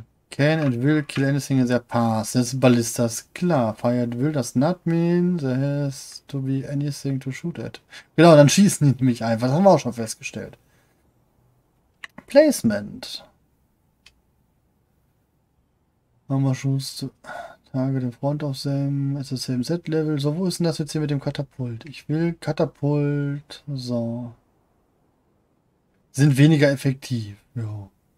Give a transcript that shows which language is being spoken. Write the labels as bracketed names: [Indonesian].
[English] Can and will kill anything in their path. [German] Das ist Ballistas, klar. [English] Fire and will does not mean there has to be anything to shoot at. [German] Genau, dann schießen die mich einfach. Das haben wir auch schon festgestellt. [English] Placement. [German] Machen wir schon zu. [English] Target in front of them, it's the same Z-Level. [German] So, wo ist denn das jetzt hier mit dem Katapult? Ich will Katapult. So. Sind weniger effektiv. Ja.